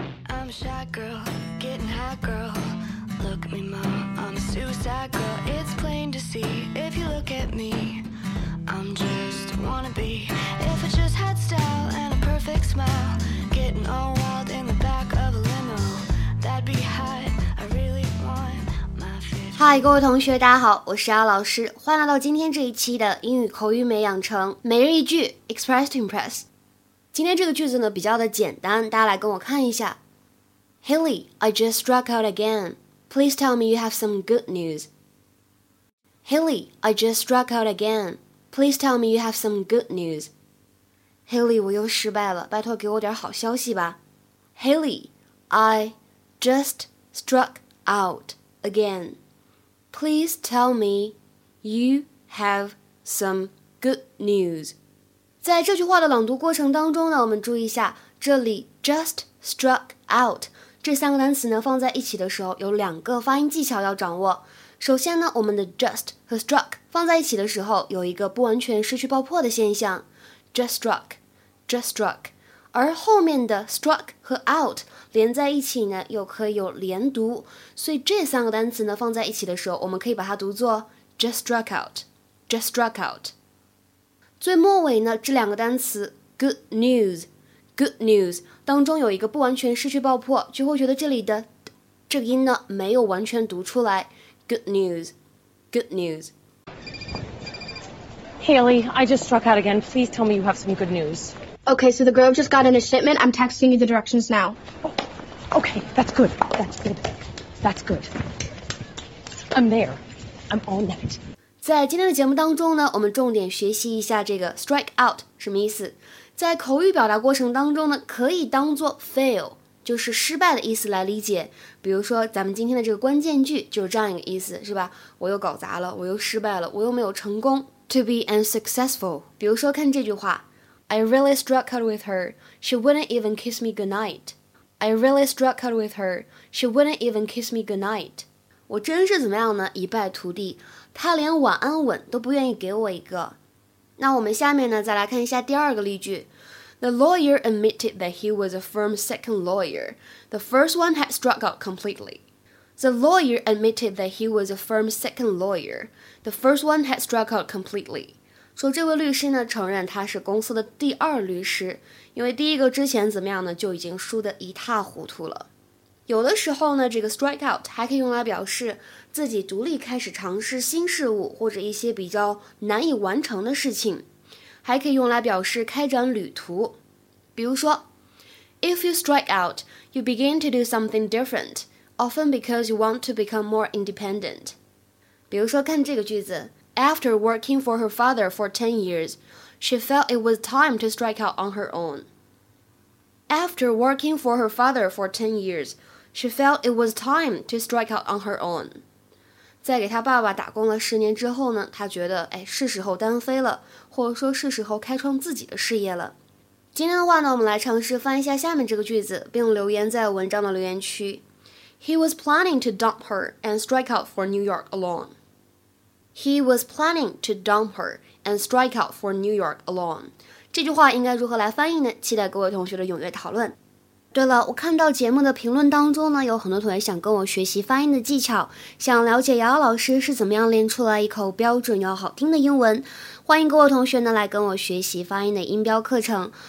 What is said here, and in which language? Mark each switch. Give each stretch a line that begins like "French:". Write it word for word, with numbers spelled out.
English: I'm a shy girl, getting high girl. Look at me, mom, I'm a suicide girl. It's plain to see if you look at me. I'm just a wannabe. If I just had style and a perfect smile, getting all wild in the back of a limo, that'd be hot. I really want my fifteen.
Chinese: 嗨，各位同学，大家好，我是阿老师，欢迎来到今天这一期的英语口语美养成每日一句
English: Express to Impress。
Chinese: 今天这个句子呢比较的简单，大家来跟我看一下。
English: Haley, I just struck out again. Please tell me you have some good news. Haley, I just struck out again. Please tell me you have some good news.
Chinese: Haley, 我又失败了，拜托给我点好消息吧。
English: Haley, I just struck out again. Please tell me you have some good news.
Chinese: 在这句话的朗读过程当中呢，我们注意一下，这里 just struck out 这三个单词呢放在一起的时候，有两个发音技巧要掌握。首先呢，我们的 just 和 struck 放在一起的时候，有一个不完全失去爆破的现象 ，
English: just struck，just struck。
Chinese: 而后面的 struck 和 out 连在一起呢，又可以有连读，所以这三个单词呢放在一起的时候，我们可以把它读作
English: just struck out，just struck out。
Chinese: 最末尾呢，这两个单词
English: good news，good news
Chinese: 当中有一个不完全失去爆破，就会觉得这里的这个音呢没有完全读出来。
English: Good news. Good news. Haley, I just struck out again. Please tell me you have some good news. Okay, so the Grove just got in a shipment. I'm texting you the directions now. Oh, okay, that's good. That's good. That's good. I'm there. I'm on it.
Chinese: 在今天的节目当中呢，我们重点学习一下这个 strike out 什么意思。在口语表达过程当中呢，可以当做 fail。就是失败的意思来理解，比如说咱们今天的这个关键句就是这样一个意思，是吧？我又搞砸了，我又失败了，我又没有成功。
English: To be unsuccessful。
Chinese: 比如说看这句话
English: ，I really struck out with her. She wouldn't even kiss me goodnight. I really struck out with her. She wouldn't even kiss me goodnight.
Chinese: 我真是怎么样呢？一败涂地，她连晚安吻都不愿意给我一个。那我们下面呢，再来看一下第二个例句。
English: The lawyer admitted that he was a firm's second lawyer. The first one had struck out completely. The lawyer admitted that he was a firm's second lawyer. The first one had struck out completely.
Chinese: 说这位律师呢承认他是公司的第二律师，因为第一个之前怎么样呢就已经输得一塌糊涂了。有的时候呢，这个 strike out 还可以用来表示自己独立开始尝试新事物或者一些比较难以完成的事情。还可以用来表示开展旅途，比如说
English: If you strike out, you begin to do something different, often because you want to become more independent.
Chinese: 比如说看这个句子
English: After working for her father for ten years, she felt it was time to strike out on her own. After working for her father for ten years, she felt it was time to strike out on her own.
Chinese: 在给他爸爸打工了十年之后呢，他觉得哎，是时候单飞了，或者说是时候开创自己的事业了。今天的话呢，我们来尝试翻一下下面这个句子，并留言在文章的留言区。
English: He was planning to dump her and strike out for New York alone. He was planning to dump her and strike out for New York alone.
Chinese: 这句话应该如何来翻译呢？期待各位同学的踊跃讨论。对了，我看到节目的评论当中呢，有很多同学想跟我学习发音的技巧，想了解瑶瑶老师是怎么样练出来一口标准又好听的英文。欢迎各位同学呢来跟我学习发音的音标课程。